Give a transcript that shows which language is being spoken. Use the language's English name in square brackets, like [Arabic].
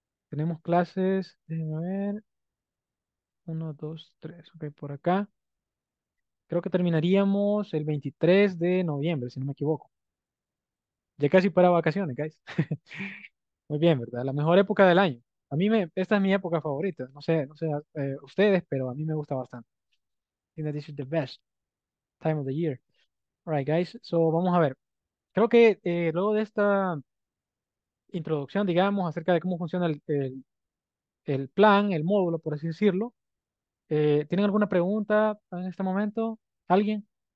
[Spanish] Tenemos clases, déjenme ver, 1, 2, 3, ok, por acá. Creo que terminaríamos el 23 de noviembre, si no me equivoco. Ya casi para vacaciones, guys. Muy bien, ¿verdad? La mejor época del año. A mí, esta es mi época favorita. No sé ustedes, pero a mí me gusta bastante. [English] I think that this is the best time of the year. All right, guys, so [Spanish] vamos a ver. Creo que luego de esta introducción, digamos, acerca de cómo funciona el plan, el módulo, por así decirlo, ¿tienen alguna pregunta en este momento? ¿Alguien?